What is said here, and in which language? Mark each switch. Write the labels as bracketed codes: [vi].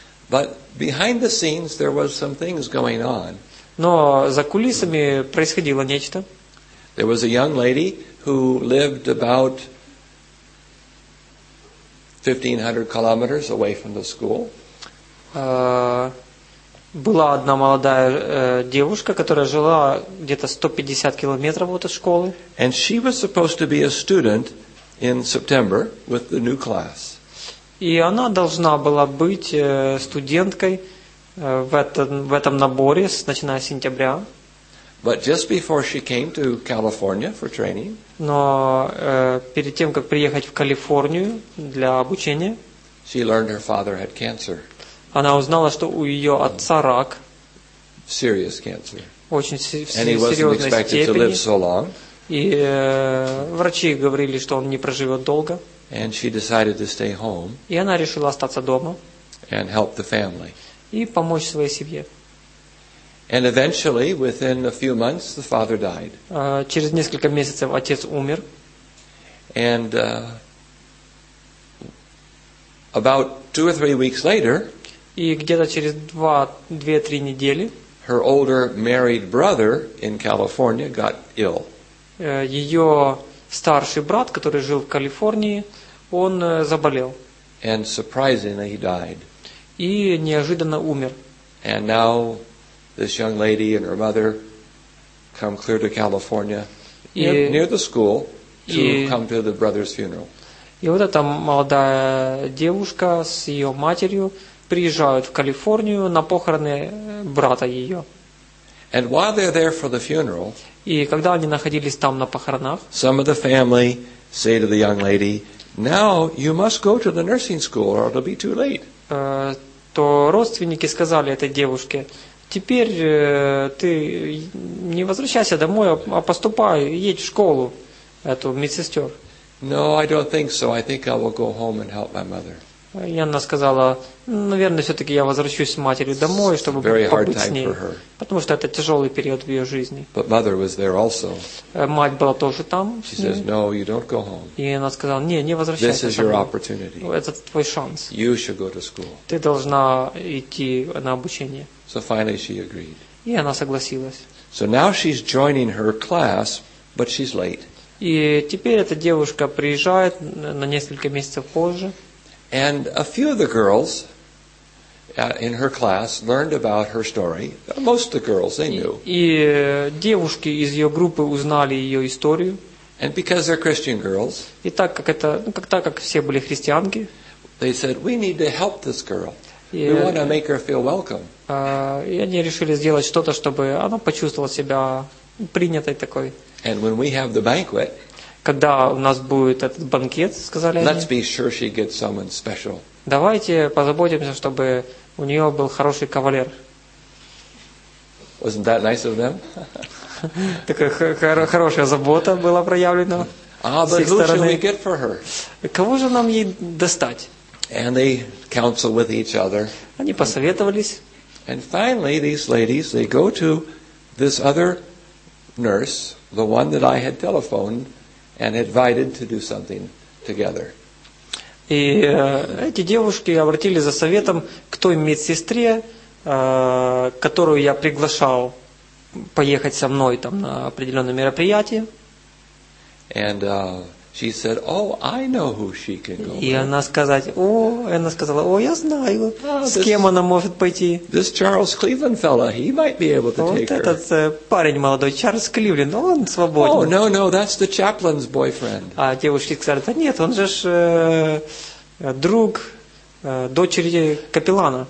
[en] But behind the scenes there was some things going on. [ru] Но за кулисами происходило нечто. [en] There was a young lady who lived about 1500 kilometers away from the school. [ru] Была одна молодая девушка, которая жила где-то 150 километров от школы. [en] And she was supposed to be a student in September with the new class. [ru] И она должна была быть студенткой в этом наборе, начиная с сентября. [en] But just before she came to California for training, [ru] но перед тем, как приехать в Калифорнию для обучения, [en] she learned her father had cancer. [ru] Она узнала, что у ее отца рак. [en] Serious cancer. [ru] Очень серьезной степени. [en] And he wasn't expected to live so long. [ru] И врачи говорили, что он не проживет долго. [en] And she decided to stay home. [ru] И она решила остаться дома. [en] And help the family. [ru] И помочь своей семье. [en] And eventually, within a few months, the father died. [ru] Через несколько месяцев отец умер. [en] And about 2 or 3 weeks later, [ru] и где-то через 2-3 недели, [en] her older married brother in California got ill. [ru] Ее старший брат, который жил в Калифорнии, он заболел. [en] And surprisingly, he died. [ru] И неожиданно умер. [en] And now this young lady and her mother come clear to California near the school to come to the brother's funeral. [ru] И вот эта молодая девушка с ее матерью приезжают в Калифорнию на похороны брата ее. [en] And while they're there for the funeral, [ru] и когда они находились там на похоронах, [en] some of the family say to the young lady, "Now you must go to the nursing school, or it'll be too late." [ru] То родственники сказали этой девушке: "Теперь ты не возвращайся домой, а поступай, едь в школу эту медсестер." [en] No, I don't think so. I think I will go home and help my mother. [ru] И она сказала: "Наверное, все-таки я возвращусь с матерью домой, чтобы побыть с ней, потому что это тяжелый период в ее жизни." [en] But mother was there also. [ru] Мать была тоже там. [en] She says, "No, you don't go home." [ru] И она сказала: "Не, не возвращайся домой. [en] This is your opportunity. [ru] Это твой шанс. [en] You should go to school." [ru] Ты должна идти на обучение. [en] So finally, she agreed. [ru] И она согласилась. [en] So now she's joining her class, but she's late. [ru] И теперь эта девушка приезжает на несколько месяцев позже. [en] And a few of the girls in her class learned about her story. Most of the girls, they knew. [ru] И девушки из ее группы узнали ее историю. [en] And because they're Christian girls, [ru] и так как это, так как все были христианки, [en] they said, "We need to help this girl. We want to make her feel welcome." [ru] И они решили сделать что-то, чтобы она почувствовала себя принятой такой. [en] And when we have the banquet, [ru] когда у нас будет этот банкет, сказали они, [en] let's be sure she gets someone special. [ru] Давайте позаботимся, чтобы у нее был хороший кавалер. [en] Wasn't that nice of them? [ru] Такая хорошая забота была проявлена с их стороны. [en] Who we get for her? [ru] Кого же нам ей достать? [en] And they counsel with each other. [ru] Они посоветовались. [en] And finally, these ladies, they go to this other nurse, the one that I had telephoned and invited to do something together. [ru] И эти девушки обратились за советом к той медсестре, которую я приглашал поехать со мной там на определенное мероприятие. [en] And she said, "Oh, I know who she can go." [ru] И она сказать: "О, она сказала: "О, я знаю, с кем она может пойти." [en] This Charles Cleveland fella, he might be able to take her. [ru] Вот этот парень молодой, Чарльз Кливленд, он свободен. [en] Oh, no, that's the chaplain's boyfriend. [ru] А девушки сказали: "Да нет, он же ж друг дочери капеллана."